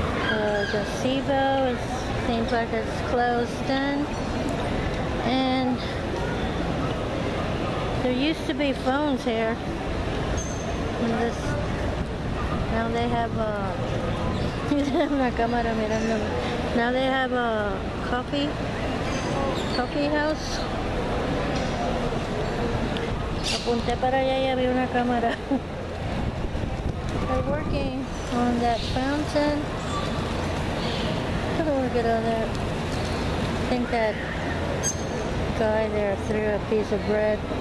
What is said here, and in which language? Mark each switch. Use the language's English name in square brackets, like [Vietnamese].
[English] The gazebo seems like it's closed in, and there used to be phones here. And this, now they have a camera [Spanish] mirando. [English] Now they have a coffee house. [Spanish] Apunté para allá y había una cámara. [English] They're working on that fountain. Look at all that. I think that guy there threw a piece of bread.